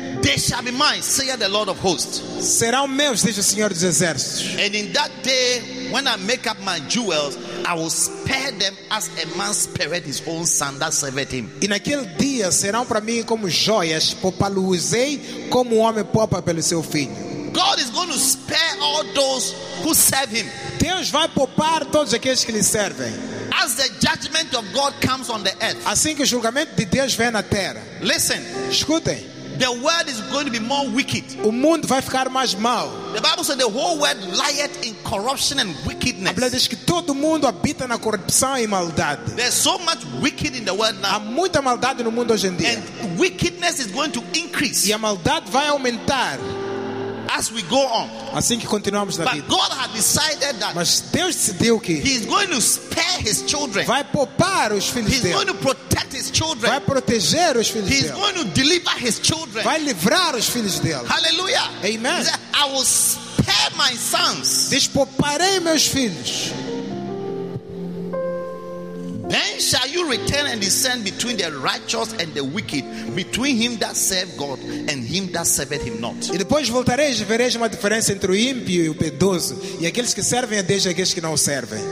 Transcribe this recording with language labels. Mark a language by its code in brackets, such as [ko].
[en] they shall be mine, saith the Lord of hosts. [pt] Serão meus, diz o Senhor dos exércitos. [en] And in that day, when I make up my jewels, I will spare them as a man spared his own son that served him. [pt] E naquele dia serão para mim como joias, poupá-los-ei como um homem poupa pelo seu filho. [en] God is going to spare all those who serve him. [pt] Deus vai poupar todos aqueles que lhe servem. [en] As the judgment of God comes on the earth. [pt] Assim que o julgamento de Deus vem na terra. [en] Listen. [pt] Escutem. [en] The world is going to be more wicked. [pt] O mundo vai ficar mais mau. [en] The Bible says the whole world lieth in corruption and wickedness. [pt] A Bíblia diz que todo mundo habita na corrupção e maldade. [en] There's so much wicked in the world now. [pt] Há muita maldade no mundo hoje em dia. [en] And wickedness is going to increase. [pt] E a maldade vai aumentar. [en] as we go on. [pt] Assim que continuamos na [en] but [pt] vida. [en] God had decided that. [pt] Mas Deus decidiu que [en] He is going to spare His children. [pt] Vai poupar os filhos [en] He's [pt] dele. [en] Going to protect His children. [pt] Vai proteger os filhos [en] He's [pt] dele. [en] He is going to deliver His children. [pt] Vai livrar os filhos dele. Hallelujah. Amen. [en] He said, I will spare my sons. [pt] Despouparei meus filhos. [en] Then shall you return and descend between the righteous and the wicked, between him that serve God and him that serveth him not. [pt] E depois voltareis e vereis uma diferença entre o ímpio e o piedoso, e aqueles que servem a Deus e aqueles que não servem.